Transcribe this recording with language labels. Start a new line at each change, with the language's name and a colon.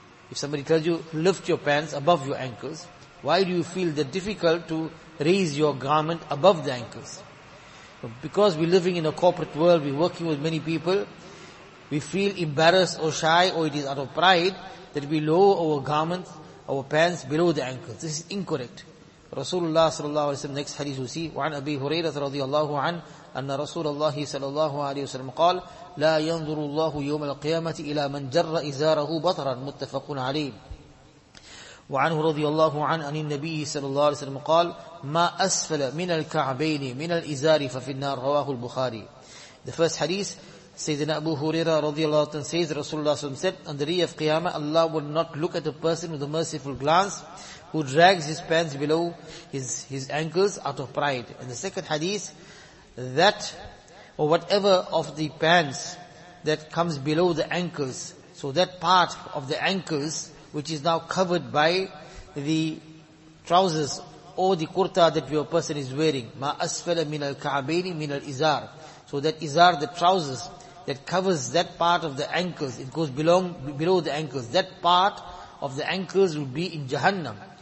English: If somebody tells you, lift your pants above your ankles, why do you feel that difficult to raise your garment above the ankles? Because we're living in a corporate world, we're working with many people, we feel embarrassed or shy, or it is out of pride that we lower our garments, our pants below the ankles. This is incorrect.
Arabic: Rasulullah sallallahu alayhi wa sallam,
English: next hadith we see,
Arabic: وعن أبي هريرة رضي الله عنه أن رسول الله صلى الله عليه وسلم قال لا ينظر الله يوم القيامة إلى من جر إزاره بطرا متفق عليه. وعنه رضي الله عنه أن النبي صلى الله عليه وسلم قال ما أسفل من الكعبين من الإزار ففي النار. رواه البخاري.
English: The first hadith, Sayyidina Abu Huraira رضي الله عنه says, Rasulullah صلى الله عليه وسلم said, on the day of Qiyamah, Allah will not look at a person with a merciful glance who drags his pants below his ankles out of pride. And the second hadith, that or whatever of the pants that comes below the ankles, so that part of the ankles which is now covered by the trousers or the kurta that your person is wearing,
Arabic: ma asfala min al ka'baini min al izar,
English: so that izar, the trousers that covers that part of the ankles, it goes below the ankles, that part of the ankles would be in Jahannam.